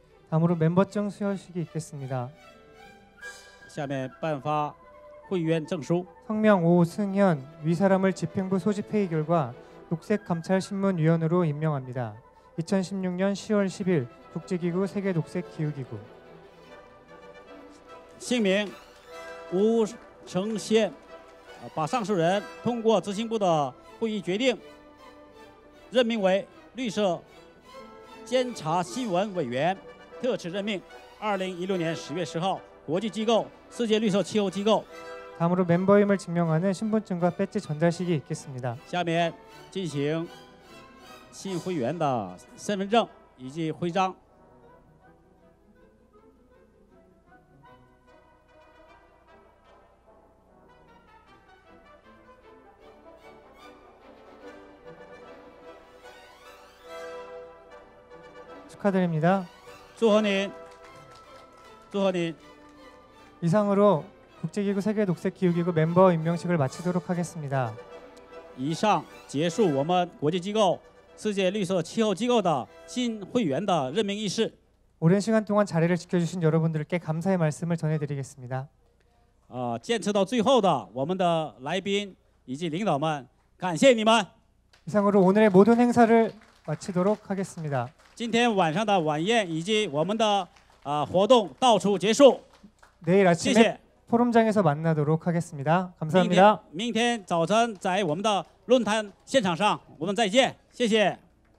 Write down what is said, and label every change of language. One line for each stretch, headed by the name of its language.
Korean: 다음으로 멤버증 수여식이 있겠습니다.
Chinese: 下面颁发会员证书.
Korean: 성명 오승현, 위 사람을 집행부 소집 회의 결과 녹색 감찰 신문 위원으로 임명합니다. 2016년 10월 10일 국제기구 세계 녹색 기후기구.
Chinese: 성명 오승현, 把上述人通过执行部的会议决定任命为绿色监察新闻委员。特此任命
Korean: 2016년 10월 10일 국제기구 세계
Chinese: 绿色气候机构.
Korean: 다음으로 멤버임을 증명하는 신분증과 배지 전달식이 있겠습니다.
Chinese: 下面进行新会员的身份证以及徽章.
Korean: 축하드립니다.
Chinese: 祝贺您祝贺您.
Korean: 이상으로 국제기구 세계 녹색 기후기구 멤버 임명식을 마치도록 하겠습니다. 이상
Chinese: 结束我们国际机构世界绿色气候机构的新会员的任命仪式.
Korean: 오랜 시간 동안 자리를 지켜주신 여러분들께 감사의 말씀을 전해드리겠습니다.
Chinese: 坚持到最后的我们的来宾以及领导们感谢你们.
Korean: 이상으로 오늘의 모든 행사를 마치도록 하겠습니다.
Chinese: 今天晚上的晚宴以及我们的活动到此结束.
Korean: 내일 아침에 포럼장에서 만나도록 하겠습니다. 감사합니다.
Chinese: 明天早晨在我们的论坛现场上我们再见谢谢.